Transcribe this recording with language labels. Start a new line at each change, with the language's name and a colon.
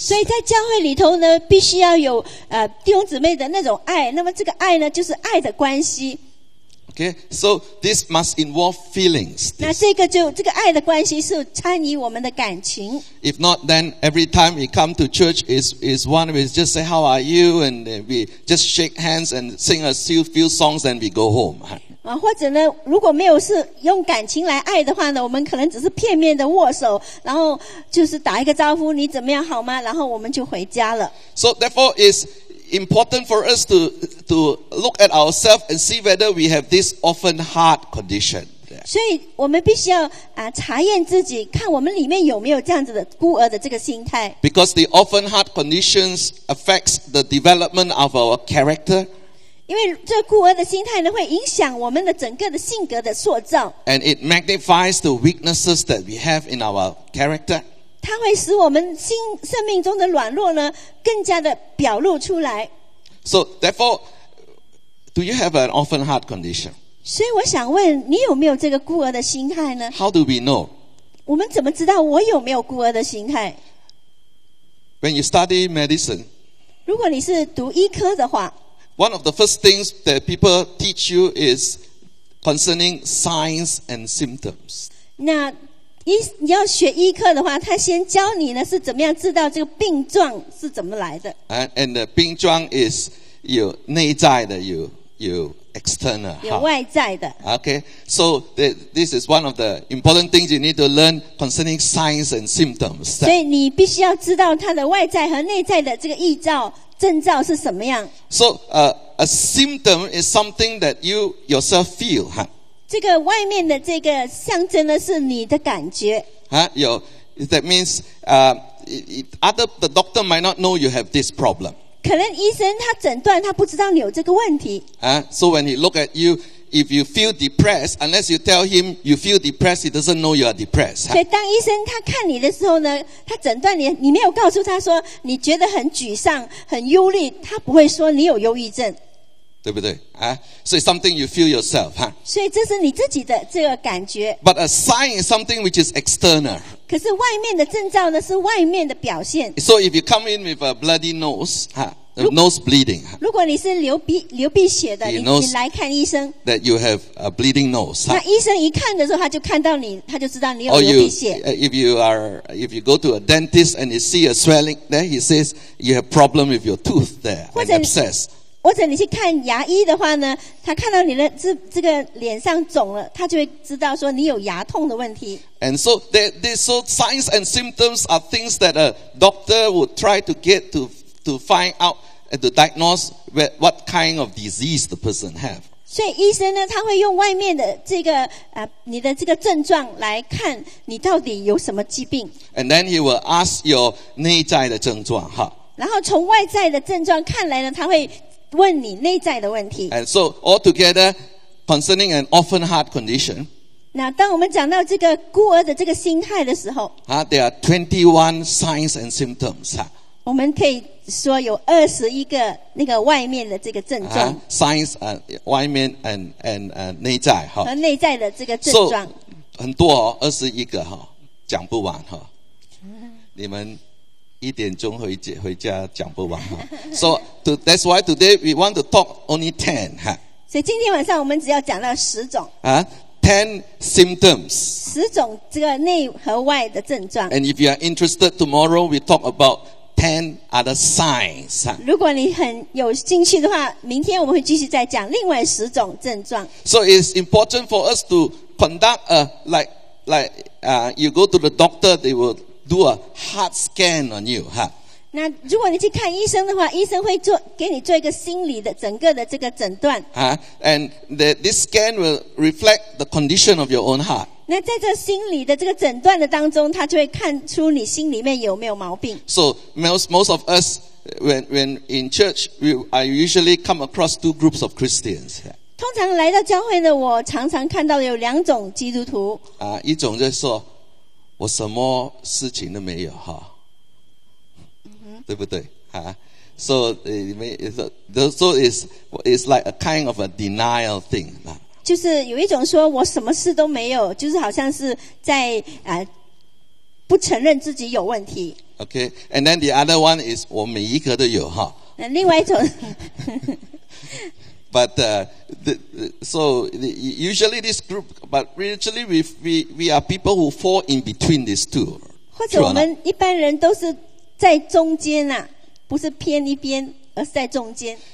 Chinese: 所以在教会里头呢，必须要有弟兄姊妹的那种爱。那么这个爱呢，就是爱的关系。
English: Okay, so this must involve feelings.
Chinese: 那这个就这个爱的关系是参与我们的感情。
English: If not, then every time we come to church is one we just say how are you and we just shake hands and sing a few songs and we go home.
Chinese: 啊，或者呢，如果没有是用感情来爱的话呢，我们可能只是片面的握手，然后就是打一个招呼，你怎么样好吗？然后我们就回家了。
English: So therefore is. Important for us to look at ourselves and see whether we have this orphan heart condition.
Chinese: 所以我们必须要查验自己，看我们里面有没有这样子的孤儿的这个心态。
English: Because the orphan heart conditions affects the development of our character.
Chinese: 因为这孤儿的心态呢，会影响我们的整个的性格的塑造。
English: And it magnifies the weaknesses that we have in our character.
Chinese: 它会使我们心生命中的软弱呢更加的表露出来。
English: So therefore, do you have an orphan heart condition?
Chinese: 所以我想问你有没有这个孤儿的心态呢？
English: How do we know?
Chinese: 我们怎么知道我有没有孤儿的心态？
English: When you study medicine,
Chinese: 如果你是读医科的话，
English: one of the first things that people teach you is concerning signs and symptoms.
Chinese: 那你要学医科的话，他先教你呢是怎么样知道这个病状是怎么来的。
English: And the 病状 is
Chinese: 有内在的，有
English: external，
Chinese: 有外在的。
English: Okay, so this is one of the important things you need to learn concerning signs and symptoms.
Chinese: 所以你必须要知道它的外在和内在的这个异兆症兆是什么样。
English: So a symptom is something that you yourself feel, huh?
Chinese: 这个外面的这个象征呢，是你的感觉。
English: 有 ，That means other the doctor might not know you have this problem.
Chinese: 可能医生他诊断他不知道你有这个问题。
English: So when he look at you, if you feel depressed, unless you tell him you feel depressed, he doesn't know you are depressed.
Chinese: 所以当医生他看你的时候呢，他诊断你，你没有告诉他说你觉得很沮丧、很忧虑，他不会说你有忧郁症。对不对啊？所以
English: something you feel yourself
Chinese: 哈。所以这是你自己的这个感觉。
English: But a sign is something which is external.
Chinese: 可是外面的征兆呢，是外面的表现。
English: So if you come in with a bloody nose 哈 ，nose bleeding 哈。
Chinese: 如果你是流鼻血的，你来看医生。
English: That you have a bleeding nose.
Chinese: 那医生一看的时候，他就看到你，他就知道你有流鼻血。
English: If you go to a dentist and you see a swelling, then he says you have problem with your tooth there, an abscess.
Chinese: 或者你去看牙医的话呢，他看到你的这个脸上肿了，他就会知道说你有牙痛的问题。
English: And so so signs and symptoms are things that a doctor would try to get to find out and to diagnose what kind of disease the person have.
Chinese: 所以医生呢，他会用外面的这个你的这个症状来看你到底有什么疾病。
English: And then he will ask your
Chinese: 内在的症状哈。然后从外在的症状看来呢，他会问你内在的问题。
English: And so altogether, concerning an orphan heart condition.
Chinese: 那当我们讲到这个孤儿的这个心态的时候，
English: There are 21 signs and symptoms.
Chinese: 我们可以说有21个那个外面的这个症状、 signs 外面 and 内在哈，和内在的这个症状 so, 很多哦，21个哈，讲不完哈，你们一点钟回家讲不完哈。
English: So that's why today we want to talk only 10哈。
Chinese: 所以今天晚上我们只要讲到十种
English: 啊。10 symptoms.
Chinese: 十种这个内和外的症状。
English: And if you are interested, tomorrow we talk about 10 other signs.
Chinese: 如果你很有兴趣的话，明天我们会继续再讲另外十种症状。
English: So it's important for us to conduct a you go to the doctor, they will do a heart scan on you, huh?
Chinese: 那如果你去看医生的话，医生会做给你做一个心理的整个的这个诊断。
English: And this scan will reflect the condition of your own heart.
Chinese: 那在这心理的这个诊断的当中，他就会看出你心里面有没有毛病。
English: So most of us when in church, I usually come across two groups of Christians.
Chinese: 通常来到教会呢，我常常看到有两种基督徒。一种就是说我什么事情都没有哈。对不对？
English: 啊、So it's like a kind of a denial thing.
Chinese: 就是有一种说我什么事都没有，就是好像是在不承认自己有问题。
English: Okay, and then the other one is
Chinese: 我每一个都有哈。那另外一种。 But usually this group, but usually we are people who fall in between these two. 或者我们一般人都是。在中间啊，不是偏一边，而是在中间。